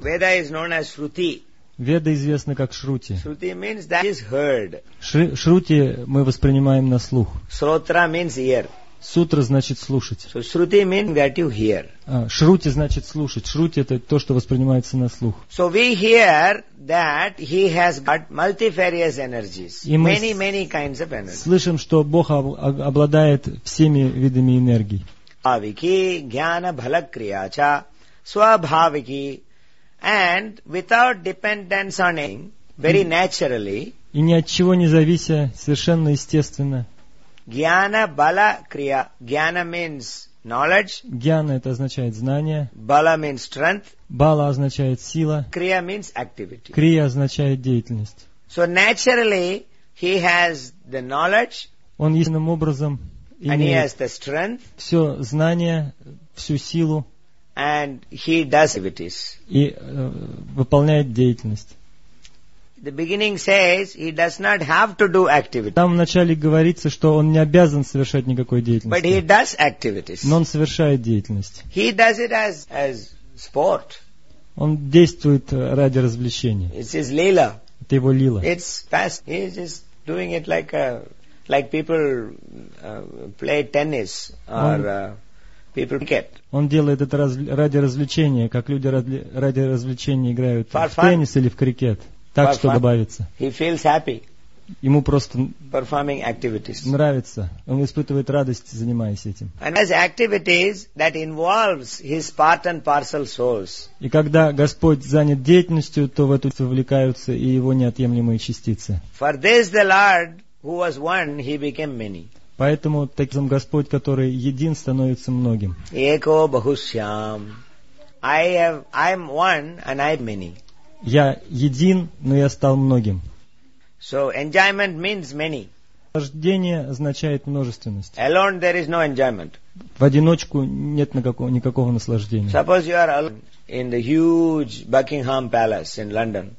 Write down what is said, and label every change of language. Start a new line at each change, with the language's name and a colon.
English: Veda is known as shruti.
Russian: Веда известна как Шрути.
English: Шрути means that is heard.
Russian: Шрути мы воспринимаем на слух.
English: Сротра means ear.
Russian: Сутра значит слушать.
English: So Shruti means that you hear.
Russian: Шрути значит слушать. Шрути это то, что воспринимается на слух.
English: So we hear that he has got multifarious energies. Many kinds of energies.
Russian: Слышим, что Бог обладает всеми видами энергии.
Sanskrit: Авики гьяна бхалакрия ча свабхавики.
English: And without dependence on anything, very naturally.
Russian: И ни от чего не завися, совершенно естественно.
Sanskrit: Гьяна бала крия.
English: Гьяна means knowledge.
Russian: Гьяна это означает знание.
English: Бала means strength.
Russian: Бала означает сила.
English: Крия means activity.
Russian: Крия означает деятельность.
English: So naturally he has the knowledge.
Russian: Он естественным образом
English: имеет. And he has the strength.
Russian: Все знание, всю силу.
English: And he does activities.
Russian: И выполняет деятельность.
English: The beginning says he does not have to do activities.
Russian: Там в начале говорится, что он не обязан совершать никакой деятельности.
English: But he does activities.
Russian: Но он совершает деятельность.
English: He does it as sport.
Russian: Он действует ради развлечения.
English: It's his lila.
Russian: Это его лила.
English: It's fast. He is just doing it like people play tennis or.
Russian: Он делает это ради развлечения, как люди ради развлечения играют в теннис или в крикет. Так, что добавится.
English: He feels happy.
Russian: Ему просто
English: performing activities.
Russian: Нравится. Он испытывает радость, занимаясь этим.
English: And as activities that involves his part and parcel souls.
Russian: И когда Господь занят деятельностью, то в эту вовлекаются и его неотъемлемые частицы.
English: For this the Lord, who was one, he became many.
Russian: Поэтому таким образом Господь, который един, становится многим.
Sanskrit: Эко бахусьям.
English: I'm one and I'm many.
Russian: Я един, но я стал многим.
English: So enjoyment means many.
Russian: Наслаждение означает множественность.
English: Alone there is no enjoyment.
Russian: В одиночку нет никакого наслаждения.
English: Suppose you are alone in the huge Buckingham Palace in London.